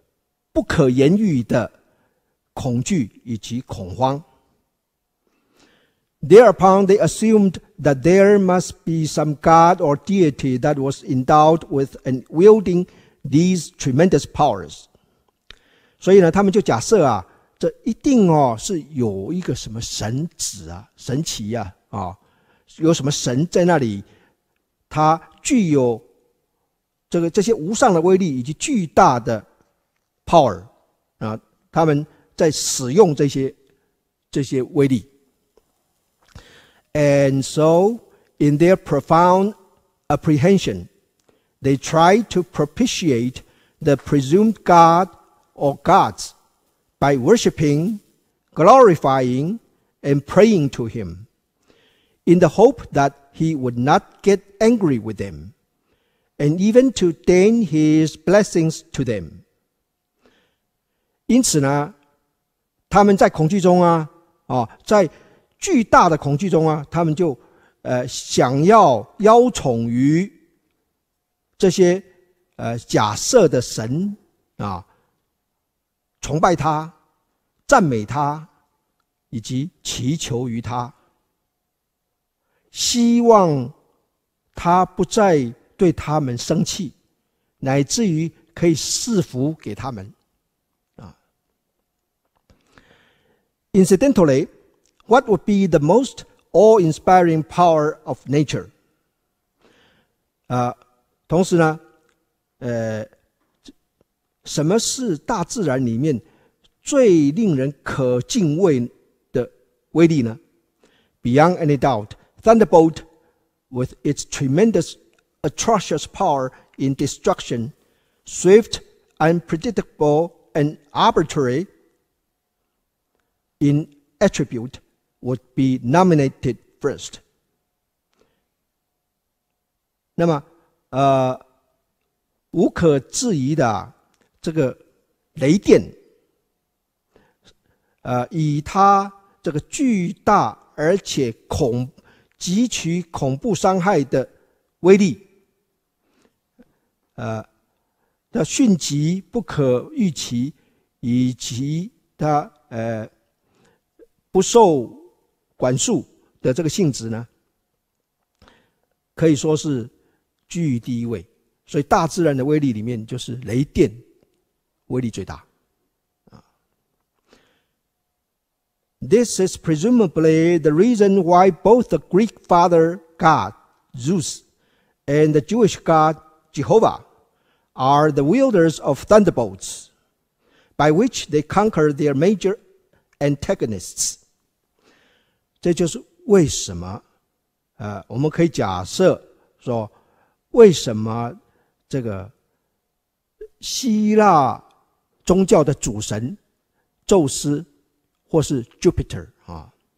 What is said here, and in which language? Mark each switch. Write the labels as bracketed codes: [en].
[zh] 这个威力呢，是深无底洞啊，这个不可知、不可预测、不可理解，而不可克服、不可抗拒，所以呢，他们呢就非常的恐惧，而且就被降服了，乃至到了就充满了这个不可言喻的。恐惧以及恐慌。 [en] Thereupon, they assumed that there must be some god or deity that was endowed with and wielding these tremendous powers. [zh] 所以呢，他们就假设啊，这一定哦是有一个什么神子啊，神奇啊，啊、哦、有什么神在那里，他具有这个这些无上的威力以及巨大的 power 啊，他们在使用这些威力。 [en] And so in their profound apprehension they try to propitiate the presumed god or gods by worshipping, glorifying and praying to him in the hope that he would not get angry with them and even to deign his blessings to them. [zh] 因此呢，他们在恐惧中啊，在巨大的恐惧中啊，他们就想要邀宠于这些假设的神啊，崇拜他，赞美他，以及祈求于他，希望他不再对他们生气，乃至于可以赐福给他们。 [en] Incidentally, what would be the most awe-inspiring power of nature? [zh] 同时呢，什么是大自然里面最令人可敬畏的威力呢？ [en] Beyond any doubt, Thunderbolt, with its tremendous, atrocious power in destruction, swift, unpredictable, and arbitrary in attribute, would be nominated first. [zh] 那么，无可置疑的，这个雷电，以它这个巨大而且极其恐怖伤害的威力，它迅疾不可预期，以及它不受管束的这个性质呢，可以说是居于第一位。所以大自然的威力里面，就是雷电威力最大。 [en] This is presumably the reason why both the Greek father God Zeus and the Jewish God Jehovah are the wielders of thunderbolts by which they conquer their major antagonists. [zh] 这就是为什么，我们可以假设说，为什么这个希腊宗教的主神宙斯或是 Jupiter 啊，